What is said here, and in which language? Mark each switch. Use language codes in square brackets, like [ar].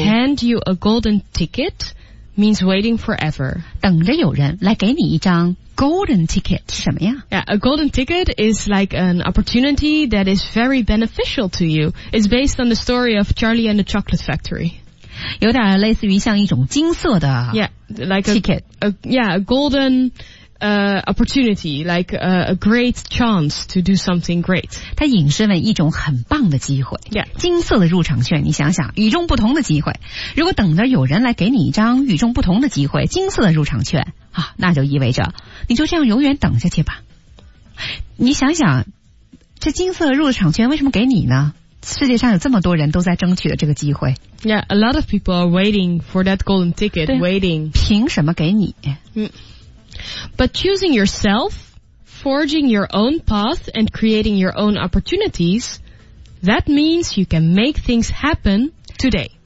[en] hand you a golden ticket means waiting forever. [zh] 等着有人来给你一张 golden ticket 是什么呀？ [en] Yeah, a golden ticket is like an opportunity that is very beneficial to you. It's based on the story of Charlie and the Chocolate Factory. [zh] 有点类似于像一种金色的 [en] yeah, like ticket. A golden... opportunity, like a great chance to do something great. [zh] 它引申为一种很棒的机会。 [en] Yeah. [zh] 金色的入场券，你想想，与众不同的机会。如果等着有人来给你一张与众不同的机会，金色的入场券，啊，那就意味着你就这样永远等下去吧。你想想，这金色入场券为什么给你呢？世界上有这么多人都在争取的这个机会。 [en] Yeah, a lot of people are waiting for that golden ticket, waiting. [zh] 凭什么给你？ [en] But choosing yourself, forging your own path, and creating your own opportunities, that means you can make things happen today.